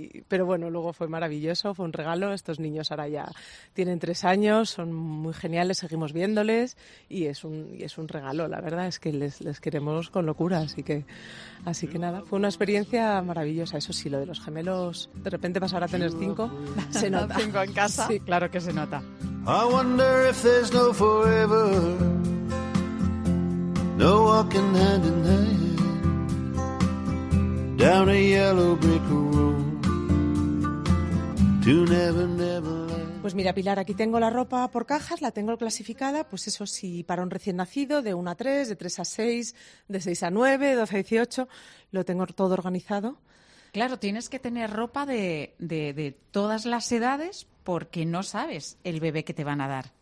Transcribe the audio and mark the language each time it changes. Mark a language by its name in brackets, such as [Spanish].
[Spanish] Pero bueno, luego fue maravilloso, fue un regalo. Estos niños ahora ya tienen 3 años, son muy geniales, seguimos viéndoles y es un regalo. La verdad es que les queremos con locura. Así que nada, fue una experiencia maravillosa. Eso sí, lo de los gemelos, de repente pasar a tener 5, se nota. 5 en casa. Sí. Claro que se nota. [English] I wonder if there's no forever, no walking hand in hand, down a yellow brick road, to never, never land. [Spanish] Pues mira, Pilar, aquí tengo la ropa por cajas, la tengo clasificada, pues eso sí, para un recién nacido, de 1 a 3, de 3 a 6, de 6 a 9, de 12 a 18, lo tengo todo organizado. Claro, tienes que tener ropa de todas las edades, porque no sabes el bebé que te van a dar.